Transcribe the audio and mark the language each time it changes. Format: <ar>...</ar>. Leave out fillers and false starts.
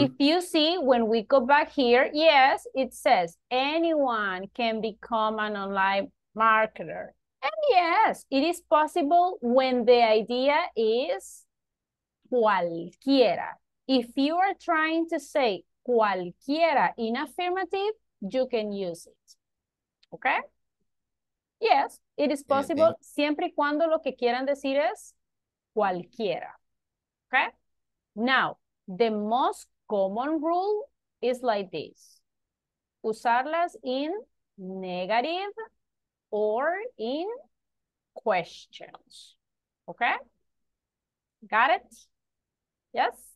<en>If you see, when we go back here, yes, it says anyone can become an online marketer. And yes, it is possible when the idea is cualquiera. If you are trying to say cualquiera in affirmative, you can use it. Okay? Yes, it is possible. Yeah, yeah.</en> <es>Siempre y cuando lo que quieran decir es cualquiera.</es> <en>Okay? Now, the most common rule is like this. Usarlas in negative or in questions. Okay? Got it? Yes?</en>